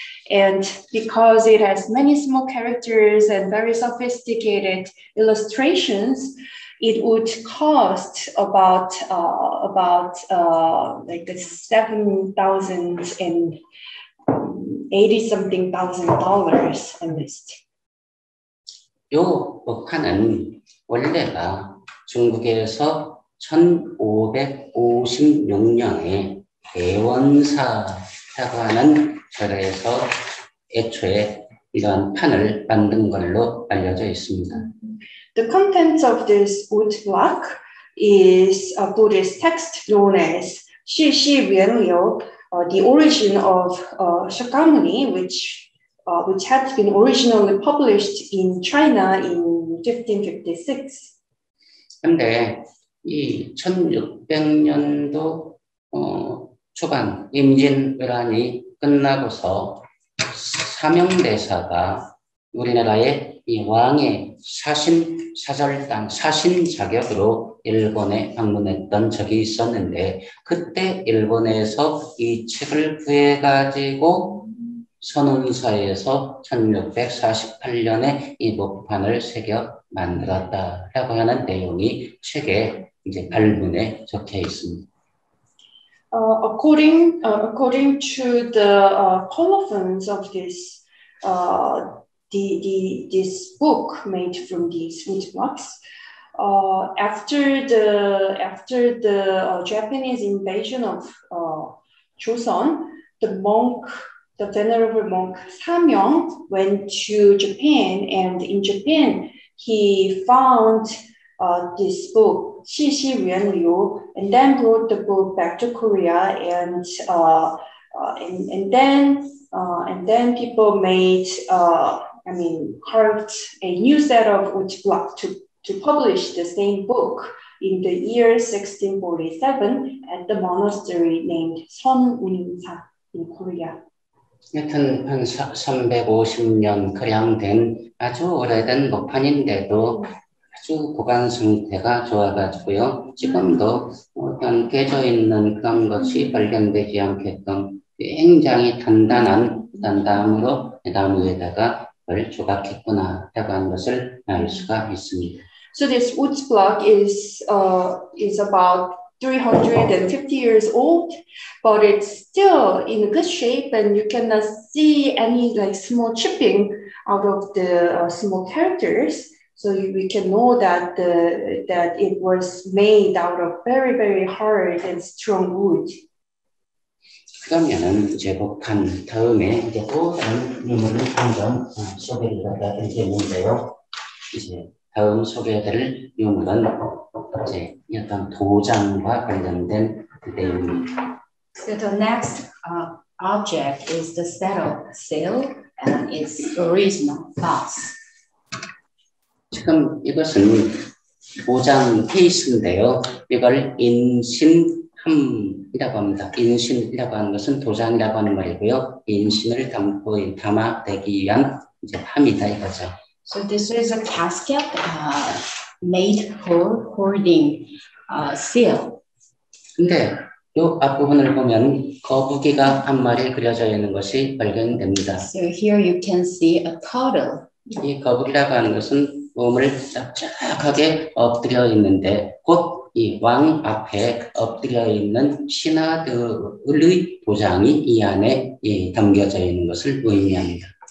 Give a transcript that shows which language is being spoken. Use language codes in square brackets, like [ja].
[en] And because it has many small characters and very sophisticated illustrations, it would cost about 7,080 something thousand dollars at least. [ko] 요 목판은 원래가 중국에서 1556년에 대원사라고 하는 절에서 애초에 이런 판을 만든 걸로 알려져 있습니다. [en] The contents of this wood block is a Buddhist text known as 시시위엔료, the origin of Shakyamuni, which had been originally published in China in 1556. [ko] 그런데 이 1600년도 초반 임진왜란이 끝나고서 사명대사가 우리나라의 이 왕의 사신 사절단 사신 자격으로 일본에 방문했던 적이 있었는데 그때 일본에서 이 책을 구해가지고 선운사에서 1648년에 이 목판을 새겨 만들었다라고 하는 내용이 책에 이제 발문에 적혀 있습니다. [en] According to the colophons of this this book made from these wood blocks, after the Japanese invasion of Joseon, the venerable monk Samyong went to Japan, and in Japan, he found this book, 시시위엔료, and then brought the book back to Korea, and then people made, carved a new set of wood block to publish the same book in the year 1647 at the monastery named Seonunsa in Korea. [ko] 여튼 한 350년 가량 된 아주 오래된 목판인데도 아주 보관 상태가 좋아가지고요. 지금도 어떤 깨져 있는 그런 것이 발견되지 않게끔 굉장히 단단한 단담으로 나무 위에다가 그걸 조각했구나 라고 하는 것을 알 수가 있습니다. [en] So this wood block is about 350 years old, but it's still in good shape, and you cannot see any like small chipping out of the small characters. So we can know that that it was made out of very, very hard and strong wood. [ko] 그러면은 이제 목판 다음에 이제 또 다른 유물을 한점 소개를 드리겠는데요. 이제 다음 소개해드릴 유물은 이제 어떤 도장과 관련된 내용입니다. [en] So the next object is the set of seal and its original box. [ko] 지금 이것은 도장 케이스인데요. 이걸 인신함이라고 합니다. 인신이라고 하는 것은 도장이라고 하는 말이고요. 인신을 담고 담아 대기 위한 이제 함이다 이거죠. [en] So this is a casket made for holding seal. [ko] 근데 이 앞부분을 보면 거북이가 한 마리 그려져 있는 것이 발견됩니다. [en] So here you can see a turtle. [ko] 이 거북이라고 하는 것은 몸을 짭짤하게 엎드려 있는데 곧 이 왕 앞에 엎드려 있는 신하들의 보장이 이 안에 담겨져 있는 것을 의미합니다.